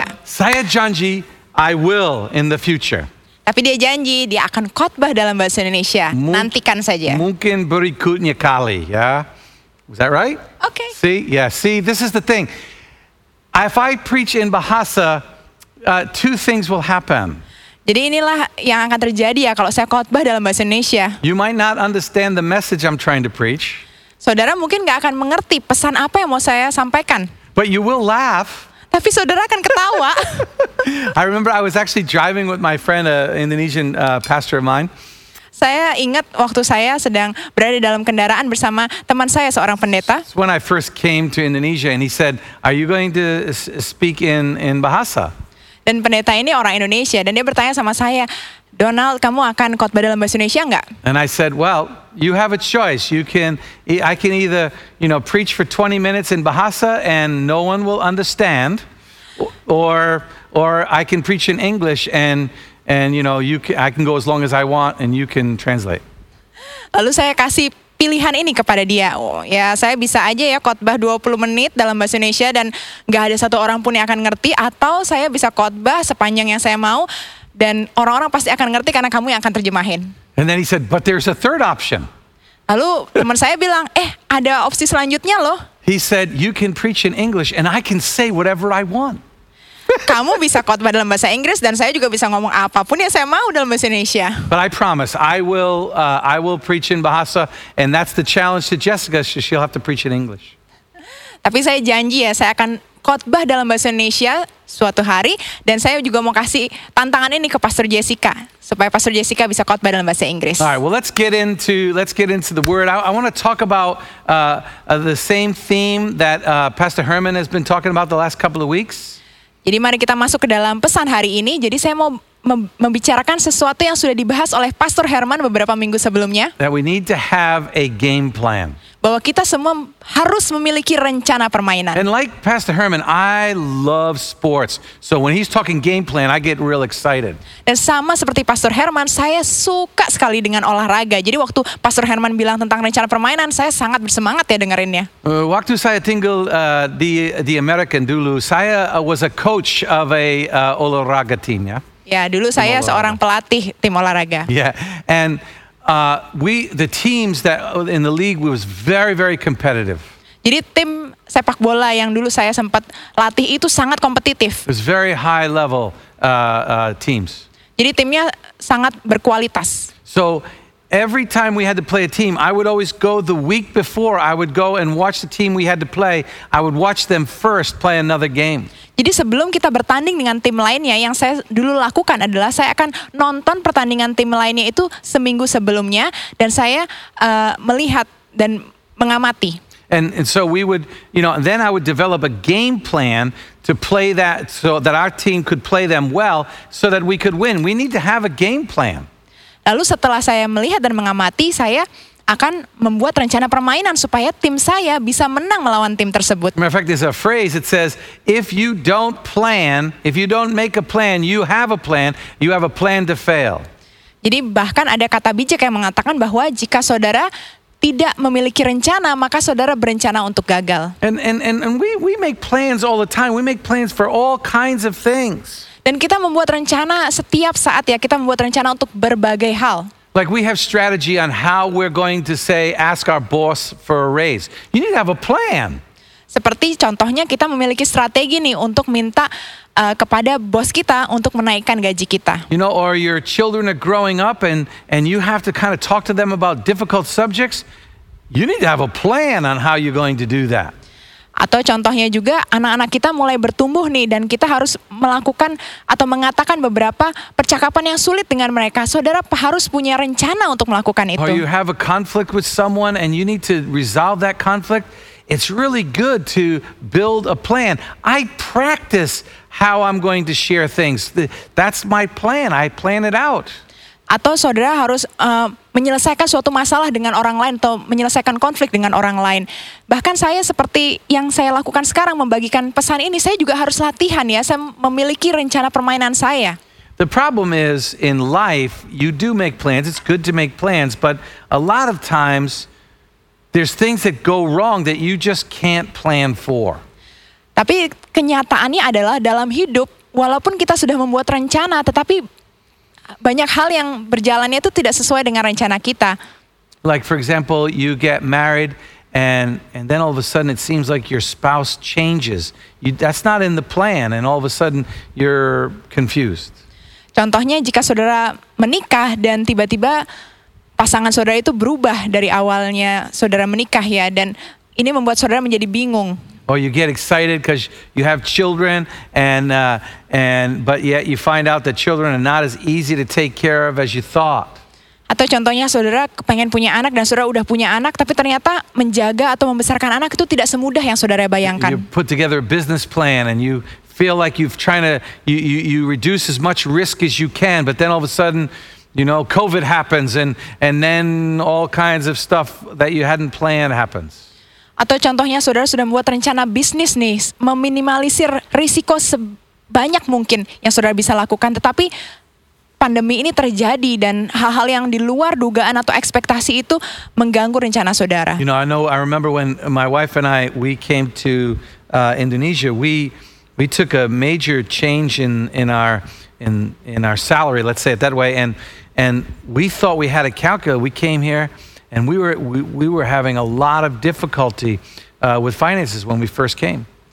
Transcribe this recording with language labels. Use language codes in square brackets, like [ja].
[en] But [id] saya janji, [en] I will in the future. [id] Tapi dia janji, dia akan khotbah dalam bahasa Indonesia. Nantikan saja. Mungkin berikutnya kali, ya. [en] Is that right? Okay. See, this is the thing. If I preach in bahasa, two things will happen. [id] Jadi inilah yang akan terjadi ya, kalau saya khotbah dalam bahasa Indonesia. [en] You might not understand the message I'm trying to preach. [id] Saudara mungkin gak akan mengerti pesan apa yang mau saya sampaikan. [en] But you will laugh. [id] Tapi saudara akan ketawa. [en] I remember I was actually driving with my friend, an Indonesian pastor of mine. [id] Saya ingat waktu saya sedang berada dalam kendaraan bersama teman saya, seorang pendeta. [en] It's when I first came to Indonesia and he said, are you going to speak in bahasa? [id] Dan pendeta ini orang Indonesia dan dia bertanya sama saya, Donald, kamu akan khotbah dalam bahasa Indonesia enggak? [en] And I said, well, you have a choice. I can either, you know, preach for 20 minutes in bahasa and no one will understand, or I can preach in English and you know, I can go as long as I want and you can translate. [id] Lalu saya kasih pilihan ini kepada dia. Oh, ya, saya bisa aja ya khotbah 20 menit dalam bahasa Indonesia dan enggak ada satu orang pun yang akan ngerti, atau saya bisa khotbah sepanjang yang saya mau. Dan orang-orang pasti akan ngerti karena kamu yang akan terjemahin. [en] And then he said, but there's a third option. [id] Lalu teman saya bilang, ada opsi selanjutnya loh. [en] He said, you can preach in English and I can say whatever I want. [id] Kamu bisa khotbah dalam bahasa Inggris dan saya juga bisa ngomong apapun yang saya mau dalam bahasa Indonesia. [en] But I promise, I will preach in bahasa, and that's the challenge to Jessica, so she'll have to preach in English. [id] Tapi saya janji ya, saya akan khotbah dalam bahasa Indonesia suatu hari, dan saya juga mau kasih tantangan ini ke Pastor Jessica supaya Pastor Jessica bisa khotbah dalam bahasa Inggris. [en] Alright, well let's get into the word. I want to talk about the same theme that Pastor Herman has been talking about the last couple of weeks. [id] Jadi mari kita masuk ke dalam pesan hari ini. Jadi saya mau membicarakan sesuatu yang sudah dibahas oleh Pastor Herman beberapa minggu sebelumnya. [en] That we need to have a game plan. [id] Bahwa kita semua harus memiliki rencana permainan. [en] And like Pastor Herman, I love sports. So when he's talking game plan, I get real excited. [id] Dan sama seperti Pastor Herman, saya suka sekali dengan olahraga. Jadi waktu Pastor Herman bilang tentang rencana permainan, saya sangat bersemangat ya dengerinnya. Waktu saya tinggal di American dulu, saya [en] was a coach of a [id] olahraga team ya. Ya, dulu saya seorang pelatih tim olahraga. [en] Yeah, and the teams that in the league was very, very competitive. [id] Jadi tim sepak bola yang dulu saya sempat latih itu sangat kompetitif. [en] It was very high level teams. [id] Jadi timnya sangat berkualitas. [en] So every time we had to play a team, I would always go the week before, I would go and watch the team we had to play. I would watch them first play another game. [id] Jadi sebelum kita bertanding dengan tim lainnya, yang saya dulu lakukan adalah saya akan nonton pertandingan tim lainnya itu seminggu sebelumnya, dan saya melihat dan mengamati. [en] And so we would, you know, then I would develop a game plan to play that, so that our team could play them well, so that we could win. We need to have a game plan. [id] Lalu setelah saya melihat dan mengamati, saya akan membuat rencana permainan supaya tim saya bisa menang melawan tim tersebut. [en] Matter of fact, there's a phrase that says, if you don't plan, if you don't make a plan, you have a plan to fail. [id] Jadi bahkan ada kata bijak yang mengatakan bahwa jika saudara tidak memiliki rencana, maka saudara berencana untuk gagal. [en] And we make plans all the time. We make plans for all kinds of things. [id] Dan kita membuat rencana setiap saat ya, kita membuat rencana untuk berbagai hal. [en] Like we have strategy on how we're going to say ask our boss for a raise. You need to have a plan. [id] Seperti contohnya kita memiliki strategi nih untuk minta kepada bos kita untuk menaikkan gaji kita. [en] You know, or your children are growing up and you have to kind of talk to them about difficult subjects. You need to have a plan on how you're going to do that. [id] Atau contohnya juga anak-anak kita mulai bertumbuh nih dan kita harus melakukan atau mengatakan beberapa percakapan yang sulit dengan mereka. Saudara harus punya rencana untuk melakukan itu. [en] Or you have a conflict with someone and you need to resolve that conflict. it's really good to build a plan. I practice how I'm going to share things. That's my plan. I plan it out. [id] Atau saudara harus menyelesaikan suatu masalah dengan orang lain atau menyelesaikan konflik dengan orang lain. Bahkan saya seperti yang saya lakukan sekarang membagikan pesan ini, saya juga harus latihan ya, saya memiliki rencana permainan saya. [en] The problem is in life you do make plans. It's good to make plans, but a lot of times there's things that go wrong that you just can't plan for. [id] Tapi kenyataannya adalah dalam hidup walaupun kita sudah membuat rencana tetapi banyak hal yang berjalannya itu tidak sesuai dengan rencana kita. [en] Like for example, you get married and then all of a sudden it seems like your spouse changes. That's not in the plan and all of a sudden you're confused. [id] Contohnya jika saudara menikah dan tiba-tiba pasangan saudara itu berubah dari awalnya saudara menikah ya, dan ini membuat saudara menjadi bingung. [en] Or you get excited because you have children but yet you find out that children are not as easy to take care of as you thought. [id] Atau contohnya saudara pengen punya anak dan saudara udah punya anak tapi ternyata menjaga atau membesarkan anak itu tidak semudah yang saudara bayangkan. [en] You put together a business plan and you feel like you've trying to you reduce as much risk as you can, but then all of a sudden, you know, COVID happens and then all kinds of stuff that you hadn't planned happens. [id] Atau contohnya saudara sudah membuat rencana bisnis nih, meminimalisir risiko sebanyak mungkin yang saudara bisa lakukan, tetapi pandemi ini terjadi dan hal-hal yang di luar dugaan atau ekspektasi itu mengganggu rencana saudara. [en] You know, I remember when my wife and I, we came to Indonesia, we took a major change in our salary, let's say it that way, and we thought we had a calculator. We came here and we were having a lot of difficulty with finances when we first came.